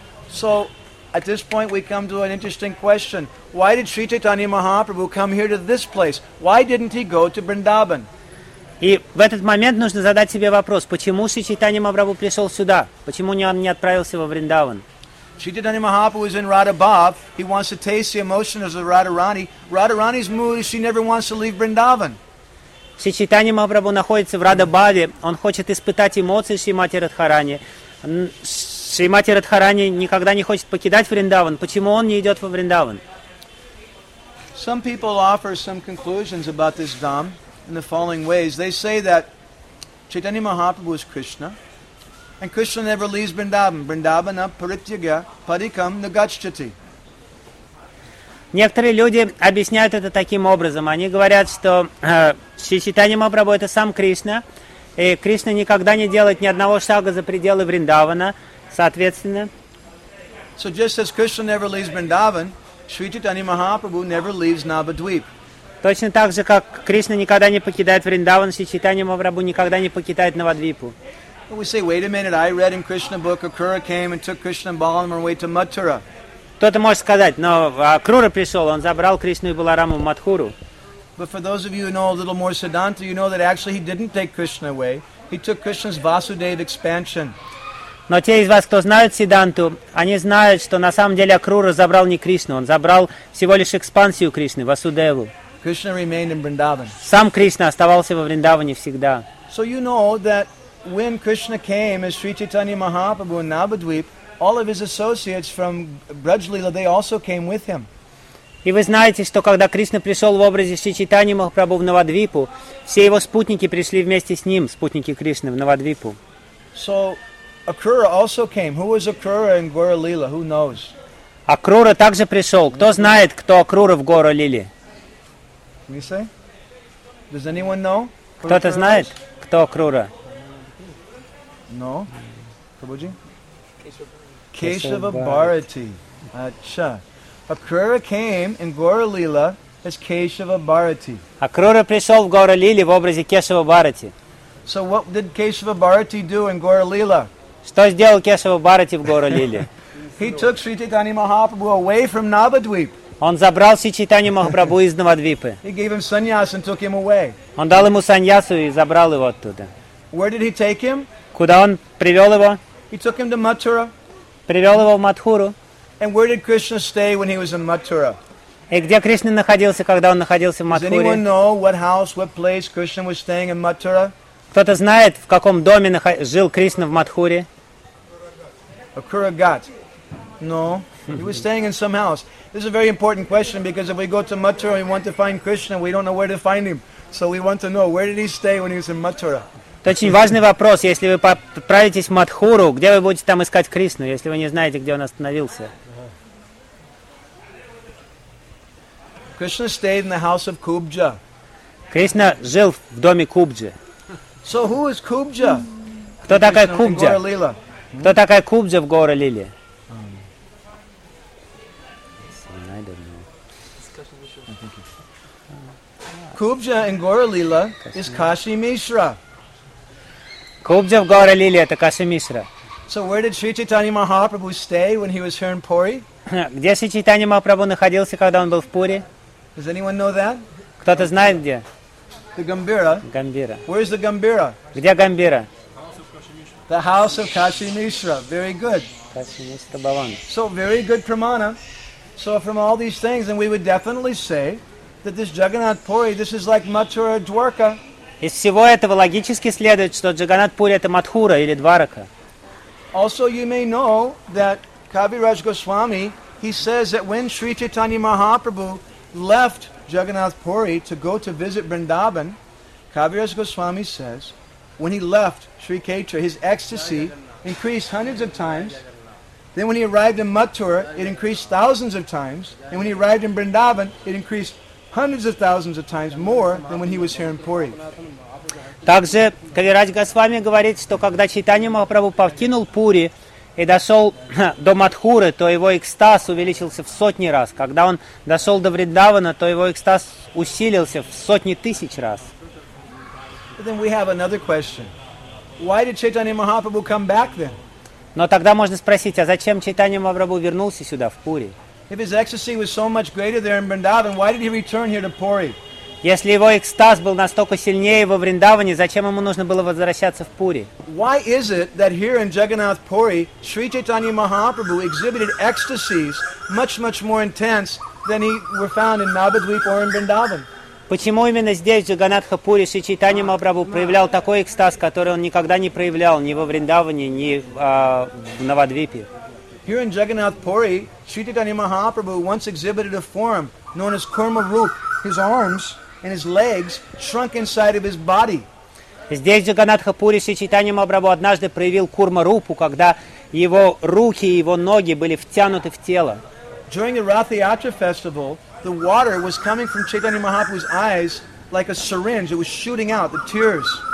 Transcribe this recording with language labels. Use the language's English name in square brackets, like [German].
[English] So, at this point, we come to an interesting question. Why did Sri Chaitanya Mahaprabhu come here to this place? Why didn't he go to Vrindavan? [Russian] И в этот момент нужно задать себе вопрос, почему Sri Chaitanya Mahaprabhu пришел сюда? Почему он не отправился во Вриндаван? [English] Sri Chaitanya Mahaprabhu is in Radhabhav. He wants to taste the emotions of Radharani. Radharani's mood is she never wants to leave Vrindavan. [Russian] Sri Chaitanya Mahaprabhu находится в Радхабаве. Он хочет испытать эмоции Шримати Радхарани. Шримати Радхарани никогда не хочет покидать Вриндаван. Почему он не идет во Вриндаван? [English] Some people offer some conclusions about this Dham in the following ways. They say that Chaitanya Mahaprabhu is Krishna, and Krishna never leaves Vrindavan. [Sanskrit] Vrindavana parityagya padikam nagacchati. [Russian] Некоторые люди объясняют это таким образом. Они говорят, что Шри Чайтанья Махапрабху это сам Кришна, и Кришна никогда не делает ни одного шага за пределы Вриндавана. Соответственно. [English] So just as Krishna never leaves Vrindavan, Sri Chaitanya Mahaprabhu never leaves Navadvip. [Russian] Точно так же, как Кришна никогда не покидает Вриндаван, Sri Chaitanya Mahaprabhu никогда не покидает Навадвипу. [English] And we say, wait a minute, I read in Krishna book, Akura came and took Krishna and Balarama away to Mathura. [Russian] Кто-то может сказать, но Акрура пришел, он забрал Кришну и Балараму в Матхуру. [English] But for those of you who know a little more Siddhanta, you know that actually he didn't take Krishna away. He took Krishna's Vasudeva expansion. [Russian] Но те из вас, кто знают Сидданту, они знают, что на самом деле Акрура забрал не Кришну, он забрал всего лишь экспансию Кришны, Васудеву. [English] Krishna remained in Vrindavan. [Russian] Сам Кришна оставался во Вриндаване всегда. [English] So you know that when Krishna came as Sri Chaitanya Mahaprabhu in Navadvip, all of his associates from Brajlila, they also came with him. [Russian] И вы знаете, что когда Кришна пришел в образе Шри Чайтаньи Махапрабху в Навадвипу, все его спутники пришли вместе с ним, спутники Кришны в Навадвипу. [English] So Akrura also came. Who was Akrura in Gaura Lila? Who knows? [Russian] Акрура также пришел. Кто знает, кто Акрура в Гаура Лиле? [English] Can you say? Does anyone know? [Russian] Кто-то знает, кто Акрура? [English] No. Prabhuji? Keshava Bharati. Acha. Akrura came in Gaura Lila as Keshava Bharati. [Russian] Акрура пришел в Гаура Лиле в образе Кешава Бхарати. [English] So what did Keshava Bharati do in Gaura Lila? [Russian] Что сделал Кешава Бхарати в Гаура Лиле? [English] He took Sri Chaitanya Mahaprabhu away from Navadvip. [Russian] Он забрал Шри Чайтанья Махапрабху из Навадвипы. [English] He gave him sannyas and took him away. [Russian] Он дал ему саньясу и забрал его оттуда. [English] Where did he take him? [Russian] Куда он привел его? [English] He took him to Mathura. [Russian] Привел его в Матхуру. [English] And where did Krishna stay when he was in Mathura? [Russian] И где Кришна находился, когда он находился в Матхуре? [English] Does anyone know what house, what place Krishna was staying in Mathura? [Russian] Кто-то знает, в каком доме жил Кришна в Матхуре? [English] Akura Ghat. No. He was staying in some house. This is a very important question because if we go to Mathura and we want to find Krishna, we don't know where to find him. So we want to know, where did he stay when he was in Mathura? [Russian] Это очень важный вопрос. Если вы отправитесь в Матхуру, где вы будете там искать Кришну, если вы не знаете, где он остановился? [English] Krishna stayed in the house of Kubja. [Russian] Кришна жил в доме Кубджи. [English] So who is Kubja? [Russian] Кто такая Кубджа? Кто такая Кубджа в Гаура Лиле? [English] Kubja in Gaura Lila is Kashi Mishra. Kubja in Gaura Lila is Kashi Mishra. So where did Sri Chaitanya Mahaprabhu stay when he was here in Puri? [Russian] Где Sri Chaitanya Mahaprabhu находился, когда он был в Пури? [English] Does anyone know that? [Russian] Кто-то знает где? [English] The Gambira. Gambira. Where is the Gambira? [Russian] Где Gambira? [English] The house of Kashi Mishra. Very good. Kashi Mishra Bhavan. So very good pramana. So from all these things, and we would definitely say that this Jagannath Puri, this is like Mathura Dwarka. [Russian] Из всего этого логически следует, что Джаганнат Пури это Матхура или Дварака. [English] Also, you may know that Kaviraj Goswami, he says that when Sri Chaitanya Mahaprabhu left Jagannath Puri to go to visit Vrindavan, Kaviraj Goswami says, when he left Sri Ketra, his ecstasy increased hundreds of times. Then when he arrived in Mathura, it increased thousands of times. And when he arrived in Vrindavan, it increased hundreds of thousands of times more than when he was here in Puri. [Russian] Также Кавирадж Госвами говорит, что когда Чайтанья Махапрабху покинул Пури и дошел до Матхуры, то его экстаз увеличился в сотни раз. Когда он дошел до Вриндавана, то его экстаз усилился в сотни тысяч раз. [English] But then we have another question. Why did Chaitanya Mahaprabhu come back then? [Russian] Но тогда можно спросить, а зачем Чайтанья Махапрабху вернулся сюда, в Пури? [English] If his ecstasy was so much greater there in Vrindavan, why did he return here to Puri? [Russian] Если его экстаз был настолько сильнее во Вриндаване, зачем ему нужно было возвращаться в Пури? [English] Why is it that here in Jagannath Puri, Sri Chaitanya Mahaprabhu exhibited ecstasies much, much more intense than he were found in Navadvip or in Vrindavan? [Russian] Почему именно здесь, в Джаганатхапуре, Шри Чайтанья Махапрабху проявлял такой экстаз, который он никогда не проявлял ни во Вриндаване, ни в Навадвипе? [English] Here in Jagannath Puri, Sri Chaitanya Mahaprabhu once exhibited a form known as Kurma Rup. His arms and his legs shrunk inside of his body. [Russian] Здесь, в Джаганатхапуре, Шри Чайтанья Махапрабху однажды проявил Курма Рупу, когда его руки и его ноги были втянуты в тело. [English] During the Ratha Yatra festival, the water was coming from Chaitanya Mahaprabhu's eyes like a syringe. It was shooting out the tears.